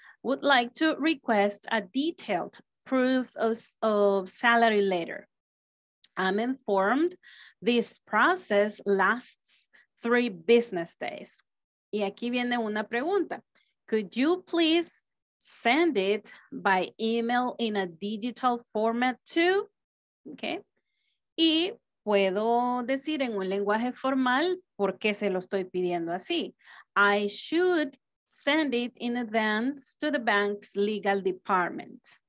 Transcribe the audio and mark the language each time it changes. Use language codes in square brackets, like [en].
[en] Would like to request a detailed proof of salary letter. I'm informed this process lasts 3 business days. [es] Y aquí viene una pregunta. [en] Could you please send it by email in a digital format too? Okay. [es] Y puedo decir en un lenguaje formal por qué se lo estoy pidiendo así. [en] I should send it in advance to the bank's legal department.